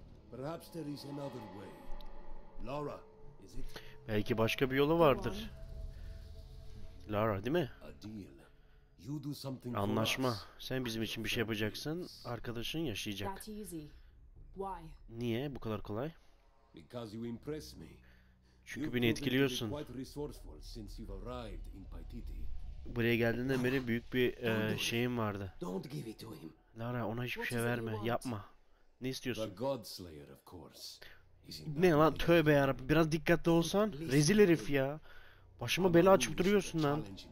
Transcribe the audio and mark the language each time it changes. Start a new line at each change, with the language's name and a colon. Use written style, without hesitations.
English: Perhaps there is another way. Lara, is it?
Turkish: Belki başka bir yolu vardır.
English: Lara,
Turkish: değil mi?
English: A deal. You do something for us.
Turkish: Anlaşma. Sen bizim için bir şey yapacaksın. Arkadaşın yaşayacak.
English: That easy. Why?
Turkish: Niye bu kadar kolay?
English: Because you impress me.
Turkish: Çünkü beni etkiliyorsun.
English: Quite resourceful since you've arrived in Paititi.
Turkish: Buraya geldiğinden beri büyük bir şeyim vardı.
English: Don't give it to him.
Turkish: Lara, ona hiçbir şey verme. Yapma. Ne istiyorsun?
English: The God Slayer, of course.
Turkish: Ne lan, tövbe ya Rabbi. Biraz dikkatli olsan. Rezil herif ya. Başıma bela açıp duruyorsun lan.